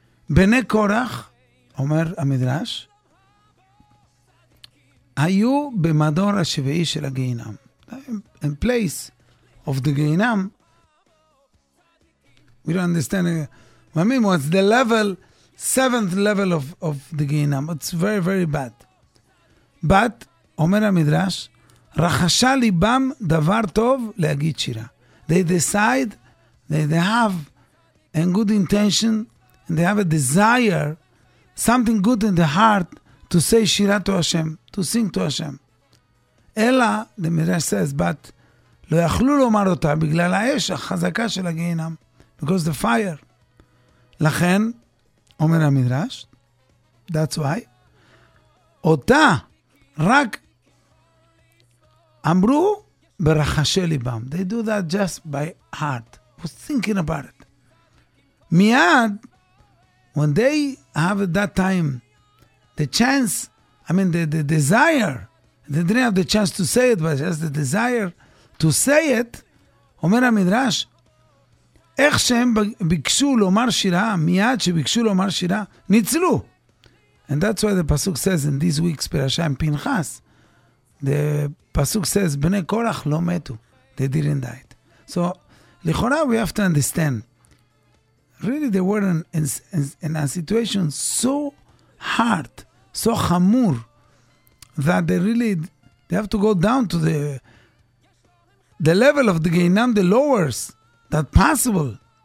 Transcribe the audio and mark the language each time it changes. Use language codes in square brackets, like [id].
[he] בני קורח, אומר המדרש, היו במדור השביעי של הגיהינם. [en] In place of the גיהינם, we don't understand, what's the level, seventh level of the גיהינם. It's very, very bad. But, [he] אומר המדרש, רחשה ליבם דבר טוב להגיד שירה. [en] They decide, they have a good intention, and they have a desire, something good in the heart, to say שירה to Hashem, to sing to Hashem. [he] אלא, [en] the מדרש says, but, [he] לא יכלו לומר אותה בגלל האש החזקה של הגיהינם, [en] because the fire. [he] לכן, אומר המדרש, [en] that's why, [he] אותה, רק אמרו ברחשי ליבם. [en] They do that just by heart. Was thinking about it. מיד, when they have at that time the chance, I mean the desire, they didn't have the chance to say it, but just the desire to say it, [he] אומר המדרש, איך שהם ביקשו לומר שירה, מיד שביקשו לומר שירה, ניצלו. [en] And that's why the Pasuk says in this week's Parashat Pinchas, the Pasuk says, [he] Bnei Korach lo metu, [en] they didn't die. So, lichora, we have to understand, really they were in a situation so hard, so chamur, that they have to go down to the level of the Geinam, the lowest, that possible.